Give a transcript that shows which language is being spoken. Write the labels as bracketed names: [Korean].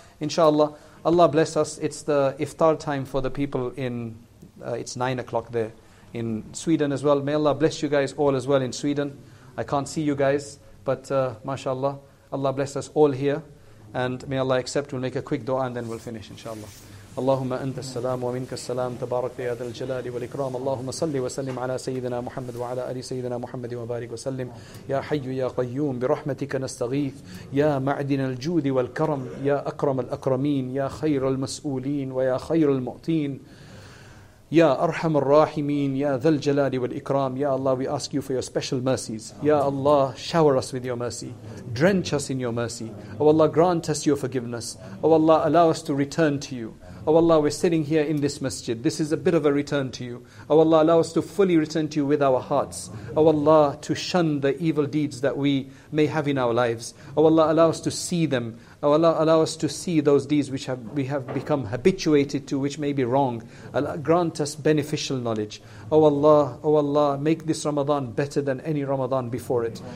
[English] Inshallah, Allah bless us. It's the iftar time for the people it's 9 o'clock there in Sweden as well. May Allah bless you guys all as well in Sweden. I can't see you guys, but mashallah, Allah bless us all here. And may Allah accept. We'll make a quick dua and then we'll finish, inshallah. [Arabic] اللهم أنت السلام ومنك السلام تبارك يا ذا الجلال والإكرام اللهم صل وسلم على سيدنا محمد وعلى آل سيدنا محمد وبارك وسلم يا حي يا قيوم برحمتك نستغيث يا معدن الجود والكرم يا أكرم الأكرمين يا خير المسؤولين ويا خير المعطين يا أرحم الراحمين يا ذا الجلال والإكرام يا الله [English] we ask you for your special mercies [Arabic] يا الله [English] shower us with your mercy drench us in your mercy oh Allah grant us your forgiveness oh Allah allow us to return to you Oh Allah, we're sitting here in this masjid. This is a bit of a return to you. Oh Allah, allow us to fully return to you with our hearts. Oh Allah, to shun the evil deeds that we may have in our lives. Oh Allah, allow us to see them. Oh Allah, allow us to see those deeds which we have become habituated to, which may be wrong. Allah, grant us beneficial knowledge. Oh Allah, make this Ramadan better than any Ramadan before it.